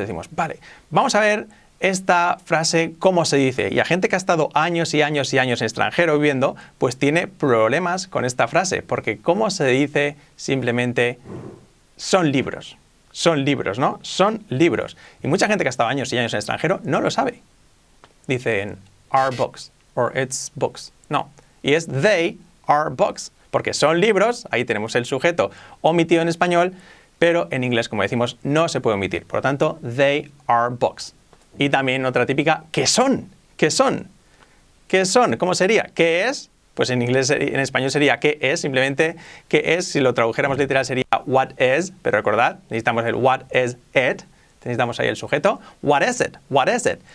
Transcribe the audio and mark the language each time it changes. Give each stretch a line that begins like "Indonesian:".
Spanish: Decimos, vale, vamos a ver esta frase, cómo se dice. Y a gente que ha estado años y años y años en extranjero viviendo, pues tiene problemas con esta frase. Porque cómo se dice simplemente son libros. Son libros, ¿no? Son libros. Y mucha gente que ha estado años y años en extranjero no lo sabe.
English: Dicen, are books, or it's books.
Spanish: No. Y es,
English: they are books.
Spanish: Porque son libros, ahí tenemos el sujeto omitido en español, pero en inglés, como decimos, no se puede omitir. Por lo tanto,
English: they are books.
Spanish: Y también otra típica, ¿qué son? ¿Qué son? ¿Qué son? ¿Cómo sería? ¿Qué es? Pues en inglés, en español sería ¿qué es? Simplemente, ¿qué es? Si lo tradujéramos literal sería
English: what is,
Spanish: pero recordad, necesitamos el
English: what is it,
Spanish: Necesitamos ahí el sujeto.
English: What is it? What is it?